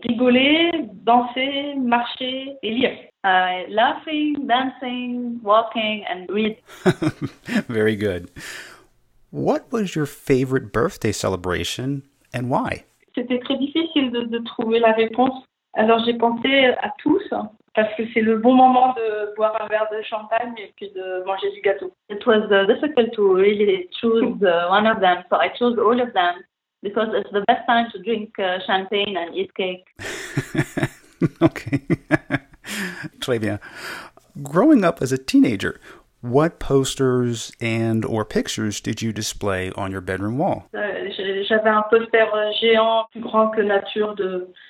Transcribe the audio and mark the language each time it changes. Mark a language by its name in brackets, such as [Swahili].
[French] Rigoler, danser, marcher et lire. [English] Laughing, dancing, walking and read. Very good. What was your favorite birthday celebration and why? [French] C'était très difficile de trouver la réponse. Alors j'ai pensé à tous. Parce que c'est le bon moment de boire un verre de champagne et puis de manger du gâteau. [English] It was difficult to really choose one of them, so I chose all of them because it's the best time to drink champagne and eat cake. [French] Okay. Très bien. [English] Growing up as a teenager, what posters and or pictures did you display on your bedroom wall? [French] J'avais un poster géant, plus grand que nature, de